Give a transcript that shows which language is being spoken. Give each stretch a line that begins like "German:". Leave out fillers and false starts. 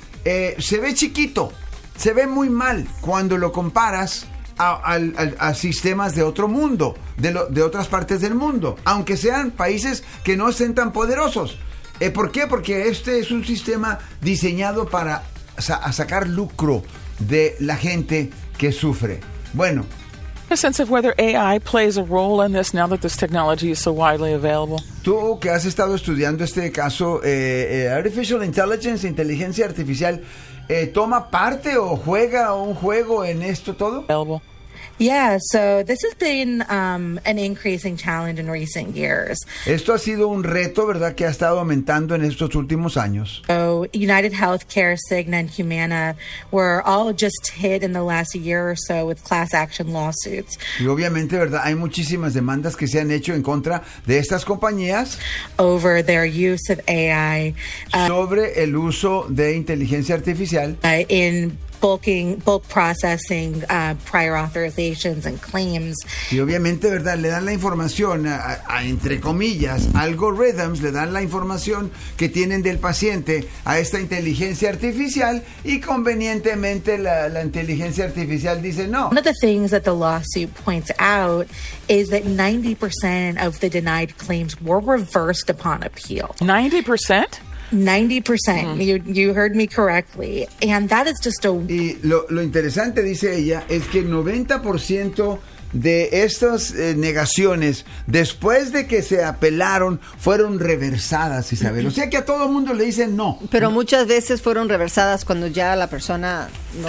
Spanish: se ve chiquito, se ve muy mal cuando lo comparas a sistemas de otro mundo, de otras partes del mundo, aunque sean países que no estén tan poderosos. ¿Por qué? Porque este es un sistema diseñado para sacar lucro de la gente que sufre. Bueno.
English: A sense of whether AI plays a role in this now that this technology is so widely available.
Spanish: Tú que has estado estudiando este caso,
English: artificial intelligence,
Spanish: inteligencia artificial, ¿toma parte o juega un juego en esto todo?
English: Available. Yeah, so this has been an increasing challenge in recent years.
Spanish: Esto ha sido un reto, ¿verdad?, que ha estado aumentando en estos últimos años.
English: So United Healthcare, Cigna, and Humana were all just hit in the last year or so with class action lawsuits.
Spanish: Y obviamente, ¿verdad?, hay muchísimas demandas que se han hecho en contra de estas compañías.
English: Over their use of AI.
Spanish: Sobre el uso de inteligencia artificial.
English: In bulk processing prior authorizations and claims.
Spanish: Y obviamente, ¿verdad?, le dan la información a entre comillas, algorithms, le dan la información que tienen del paciente a esta inteligencia artificial, y convenientemente la inteligencia artificial dice no.
English: One of the things that the lawsuit points out is that 90% of the denied claims were reversed upon appeal. 90%? 90%, you heard me correctly, and that is just a...
Spanish: Y lo interesante, dice ella, es que 90% de estas negaciones, después de que se apelaron, fueron reversadas, Isabel. O sea que a todo mundo le dicen no. Pero muchas veces fueron reversadas cuando ya la persona no